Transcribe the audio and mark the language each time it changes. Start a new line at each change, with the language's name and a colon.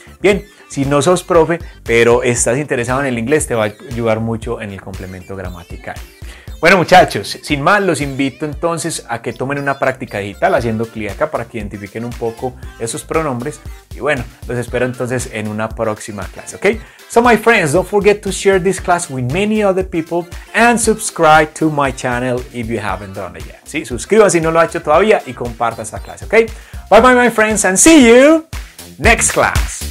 Spanish: Bien, si no sos profe, pero estás interesado en el inglés, te va a ayudar mucho en el complemento gramatical. Bueno, muchachos, sin más, los invito entonces a que tomen una práctica digital haciendo clic acá para que identifiquen un poco esos pronombres. Y bueno, los espero entonces en una próxima clase, ¿ok?
English: So, my friends, don't forget to share this class with many other people and subscribe to my channel if you haven't done it yet.
Spanish: ¿Sí? Suscríbanse si no lo ha hecho todavía y comparta esta clase, ¿ok?
English: Bye, bye, my friends, and see you next class.